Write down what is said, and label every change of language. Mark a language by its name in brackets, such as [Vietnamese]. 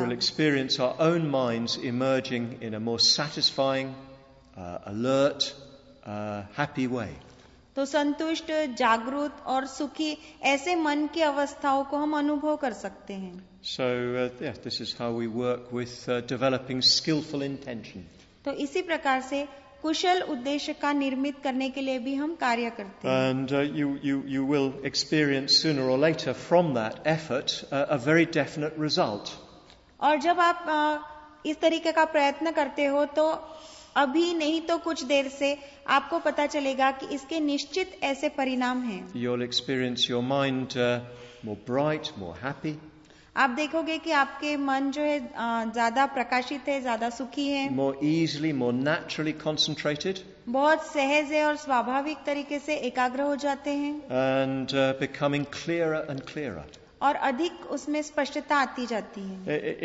[English] We'll experience our own minds emerging in a more satisfying, alert, happy way. [Hindi] तो संतुष्ट, जागरूक और सुखी ऐसे मन की अवस्थाओं को हम अनुभव कर सकते हैं. [English] So, yes, this is how we work with developing skillful intention. [Hindi] तो इसी प्रकार से कुशल उद्देश्य का निर्मित करने के लिए भी हम कार्य करते हैं. [English] And you will experience sooner or later from that effort a very definite result. [Hindi] और जब आप इस तरीके का प्रयत्न करते हो तो अभी नहीं तो कुछ देर से आपको पता चलेगा कि इसके निश्चित ऐसे परिणाम हैं. [English] You'll experience your mind more bright, more happy. [Hindi] आप देखोगे कि आपके मन जो है ज्यादा प्रकाशित है, ज्यादा सुखी है. [English] More easily, more naturally concentrated. [Hindi] बहुत सहज है और स्वाभाविक तरीके से एकाग्र हो जाते हैं. [English] And becoming clearer and clearer. [Hindi] और अधिक उसमें स्पष्टता आती जाती है.